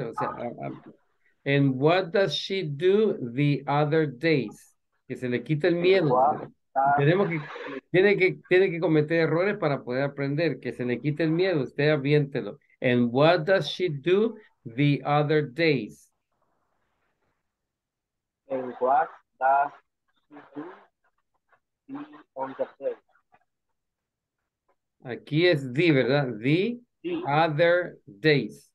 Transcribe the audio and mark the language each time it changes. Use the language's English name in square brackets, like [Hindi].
[Spanish] O sea, [English] and what does she do the other days? [Spanish] Que se le quite el miedo. Tenemos que, tiene que cometer errores para poder aprender. Que se le quite el miedo. Usted aviéntelo. [English] And what does she do the other days? And what does she do? On the [Spanish] aquí es [English] the, [Spanish] ¿verdad? [English] The other days.